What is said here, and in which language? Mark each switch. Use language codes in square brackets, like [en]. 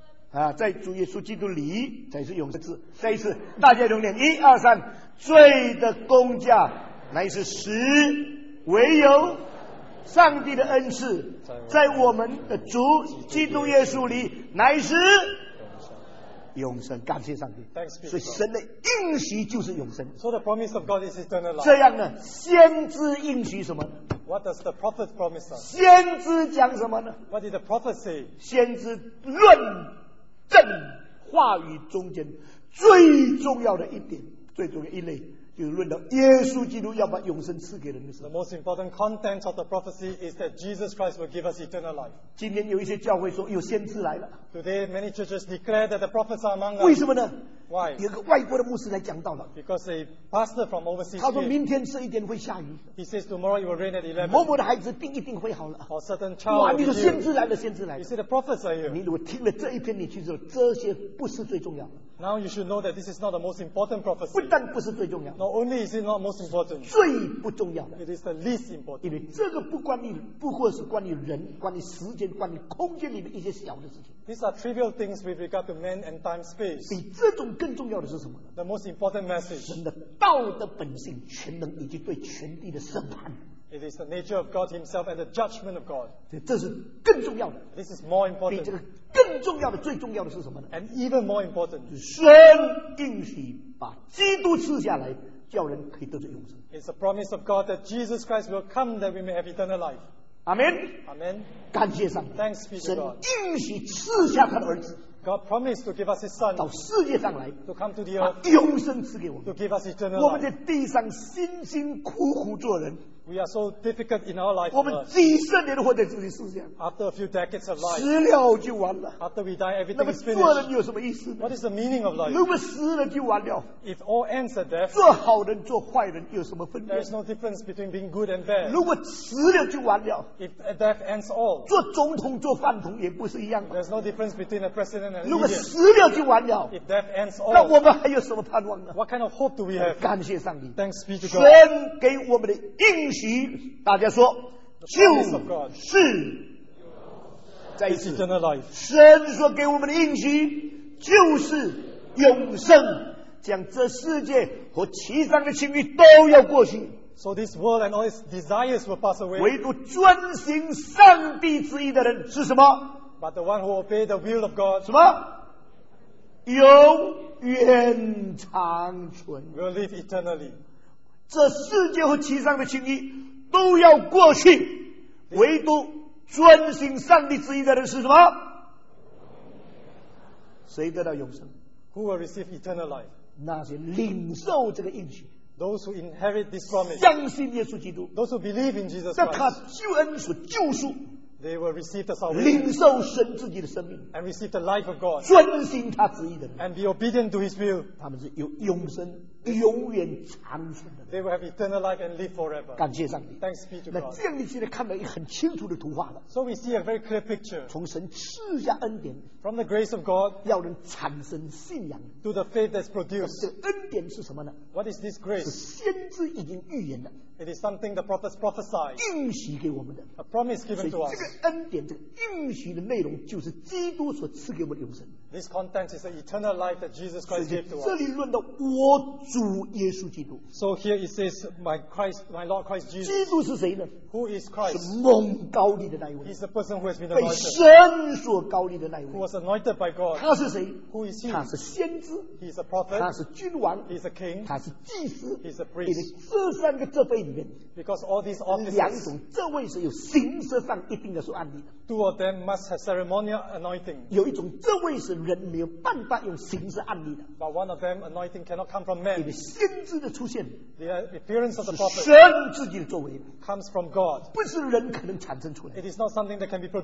[zh] 啊，在主耶稣基督里才是永生之。再一次，大家同念一二三，罪的工价乃是死，唯有上帝的恩赐在我们的主基督耶稣里乃是。永生，感谢上帝。所以神的应许就是永生。 [en] So the promise of God is eternal life. [zh] 这样呢，先知应许什么 [en] ？What does the prophet promise us? [zh] 先知讲什么呢 [en] ？What did the prophet say? [zh] 先知论证话语中间最重要的一点，最重要一类，就是论到耶稣基督要把永生赐给人的事。 [en] The most important content of the prophecy is that Jesus Christ will give us eternal life. [zh] 今天有一些教会说有先知来了。 [en] Today many churches declare that the prophets are among us. [zh] 为什么呢 [en] ？Why? [zh] 有个外国的牧师来讲道了。 [en] Because a pastor from overseas. [zh] 他说明天十一点会下雨。 [en] He says tomorrow it will rain at 11. [zh] 某某的孩子病一定会好了。 [en] Or certain child. [zh] 哇，你说先知来了，先知来了。 [en] You say the prophets are here. [zh] 你如果听了这一篇，你去说这些不是最重要的。 [en] Now you should know that this is not the most important prophecy. [zh] 不但不是最重要。 [en] Not only is it not most important. [zh] 最不重要的。 [en] It is the least important. [zh] 因为这个不关于，不过是关于人，关于时间，关于空间里的一些小的事情。 [en] These are trivial things with regard to man and time space. [zh] 比这种更重要的是什么？ [en] The most important message. [zh] 神的道的本性、全能以及对全地的审判。 [en] It is the nature of God Himself and the judgment of God. [zh] 这是更重要的。 [en] This is more important. [zh] 比这个更重要的、最重要的是什么呢？ [en] And even more important. [zh] 神应许把基督赐下来，叫人可以得着永生。 [en] It's the promise of God that Jesus Christ will come that we may have eternal life. Amen. Amen. [zh] 感谢上帝。 [en] Thanks be to God. [zh] 神应许赐下他的儿子。 [en] God promised to give us His Son [zh] 到世界上来 [en] to come to the earth, [zh] 把永生赐给我们 [en] to give us eternal life. [zh] 我们在地上辛辛苦苦做人 [en] we are so difficult in our life [zh] 我们几十年活在这里世上 [en] after a few decades of life [zh] 死了就完了 [en] after we die everything is finished [zh] 那么做人有什么意思 [en] what is the meaning of life [zh] 如果死了就完了 [en] if all ends at death [zh] 做好人做坏人有什么分别 [en] there is no difference between being good and bad [zh] 如果死了就完了 [en] if death ends all [zh] 做总统做饭桶也不是一样 [en] there is no difference between a president [zh] 如果死了就完了 [en] If death ends all, [zh] 那我们还有什么盼望呢 [en] What kind of hope do we have? [zh] 感谢上帝 [en] Thanks be to God. [zh] 神给我们的应许大家说就是再一次 [en] is eternal life. [zh] 神所给我们的应许就是永生，将这世界和其上的情欲都要过去。 [en] So this world and all its desires will pass away. [zh] 唯独遵行上帝旨意的人是什么？ [en] But the one who obeys the will of God. [zh] 什么？永远长存。 [en] Will live eternally. [zh] 这世界和其上的情欲都要过去，唯独遵行上帝旨意的人是什么？谁得到永生？ [en] Who will receive eternal life? [zh] 那些领受这个应许。 [en] Those who inherit this promise, [zh] 相信耶稣基督， [en] those who believe in Jesus Christ, [zh] 在他救恩所救赎， [en] they will receive the salvation, [zh] 领受神自己的生命， [en] and receive the life of God, [zh] 遵行他旨意的人， [en] and be obedient to his will, [zh] 他们是有永生永远长存的人， [en] they will have eternal life and live forever. [zh] 感谢上帝。 [en] Thanks be to God. [zh] 那这样你现在看到一个很清楚的图画了。 [en] So we see a very clear picture. [zh] 从神赐下恩典， [en] from the grace of God, [zh] 要人产生信仰， [en] to the faith that's produced. [zh] 这个恩典是什么呢？ [en] What is this grace? [zh] 是先知已经预言的。 [en] It is something the prophets prophesied. [zh] 应许给我们的。 [en] A promise given to us. [zh] 这个恩典，这个应许的内容，就是基督所赐给我们的永生。 [en] This content is the eternal life that Jesus Christ gave to us. [zh] 这里论到我主耶稣基督。 [en] So here it says, my Christ, my Lord Christ Jesus. [zh] 基督是谁呢？ [en] Who is Christ? [zh] 是蒙高立的那一位。 [en] He's the person who has been anointed. [zh] 被神所高立的那一位。 [en] Who was anointed by God. [zh] 他是谁？ [en] Who is he? [zh] 他是先知。 [en] He's a prophet. [zh] 他是君王。 [en] He's a king. [zh] 他是祭司。 [en] He's a priest. [zh] 因为这三个这辈里面， [en] Because all these offices, [zh] 两种这位是有形式上一定的属案例的。 [en] Two of them must have ceremonial anointing. [zh] 有一种这位是人没有办法用形式案例的。 [en] But one of them anointing cannot come from man. [zh] 因为先知的出现， [en] the appearance of the prophet, [zh] 是神自己的作为， [en] comes from God. [zh] 不是人可能产生出来。 [en] It is not something that can be produced.